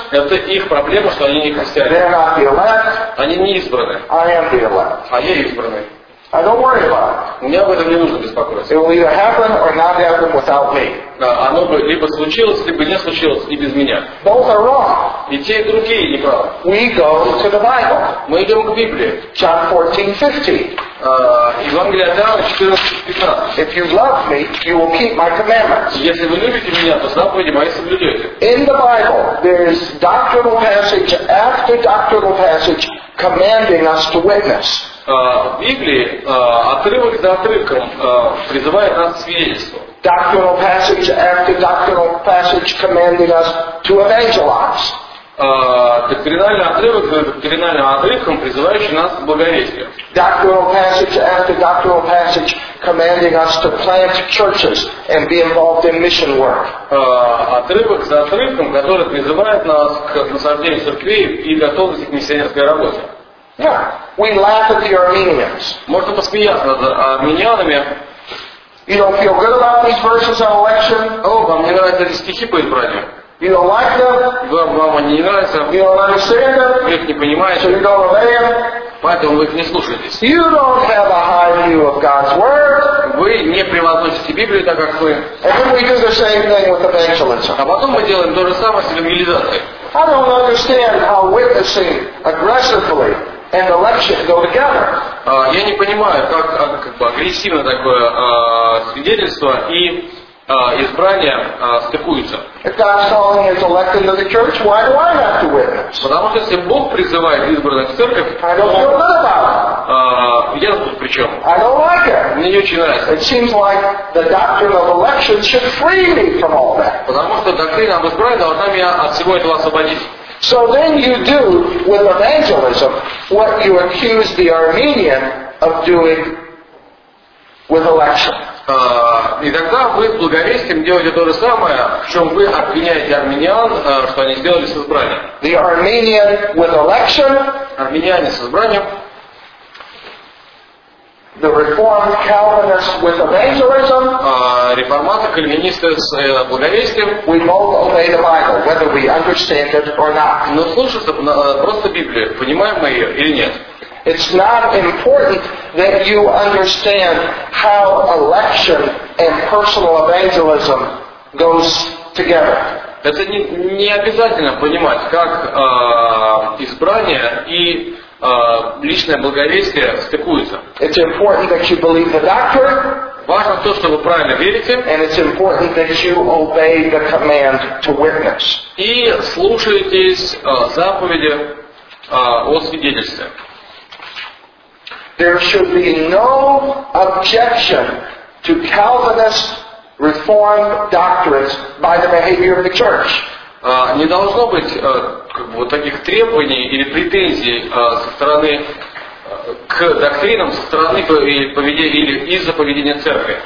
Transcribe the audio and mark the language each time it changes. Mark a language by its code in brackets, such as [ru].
[ru] Это их проблема, что они не христиане. [en] They're not the elect. [ru] Они не избраны. [en] I am the elect. [ru] А я избранный. [en] I don't worry about it. [ru] Мне об этом не нужно беспокоиться. [en] It will either happen or not happen without me. [ru] Оно бы либо случилось, либо не случилось, и без меня. [en] Both are wrong. [ru] И те, и другие неправы. [en] We go to the Bible. [ru] Мы идем к Библии. [en] John 14:15. [ru] Евангелие от Иоанна 14:15. [en] If you love me, you will keep my commandments. [ru] Если вы любите меня, то заповеди мои соблюдете. [en] In the Bible, there is doctrinal passage after doctrinal passage commanding us to witness. [ru] В Библии отрывок за отрывком призывает нас свидетельству. [en] Doctrinal passage after doctrinal passage commanding us to evangelize. [ru] Доктринальный отрывок за доктринальным отрывком, призывающий нас к благовестию. [en] Doctrinal passage after doctrinal passage commanding us to plant churches and be involved in mission work. [ru] Отрывок за отрывком, который призывает нас к насаждению церквей и готовности к миссионерской работе. [en] Yeah, we laugh at the Armenians. [ru] Можно посмеяться над армянами. [en] You don't feel good about these verses on election? [ru] Oh, вам не нравятся эти стихи по избранию? [en] You don't like them? [ru] Вам они не нравятся? [en] You don't understand them? [ru] Вы их не понимаете? [en] So you don't obey them? [ru] Поэтому вы их не слушаетесь. [en] You don't have a high view of God's word. [ru] Вы не превозносите Библию так, как вы. [en] And then we do the same thing with evangelism. [ru] А потом мы делаем то же самое с евангелизацией. [en] I don't understand how witnessing aggressively and election go together. [ru] Я не понимаю, как бы агрессивно такое свидетельство и избрание стыкуются. [en] If God's calling is elected to the church, why do I have to witness? [ru] Потому что если Бог призывает избранных в церковь, [en] I don't feel good about it. [ru] Я тут при чем? [en] I don't like it. [ru] Мне не очень нравится. [en] It seems like the doctrine of election should free me from all that. [ru] Потому что доктрина об избрании должна меня от всего этого освободить. [en] So then you do with evangelism what you accuse the Armenian of doing with election. [ru] И тогда вы с благовестием делаете то же самое, в чем вы обвиняете армянин, что они сделали с избранием. [en] The Armenian with election. [ru] Армянин с избранием. [en] The Reformed Calvinist with evangelism. [ru] Реформатор кальвинисты с благовестием. [en] We both obey the Bible, whether we understand it or not. [ru] Но слушаться просто Библию, понимаем мы ее или нет? [en] It's not important that you understand how election and personal evangelism goes together. [ru] Это не обязательно понимать, как избрание и личное благовестие стыкуется. [en] It's important that you believe the doctrine. [ru] Важно то, что вы правильно верите. [en] And it's important that you obey the command to witness. [ru] И слушаетесь заповеди о свидетельстве. [en] There should be no objection to Calvinist reformed doctrines by the behavior of the church. [ru] Не должно быть как бы, вот таких требований или претензий со стороны к доктринам со стороны или из-за поведения церкви.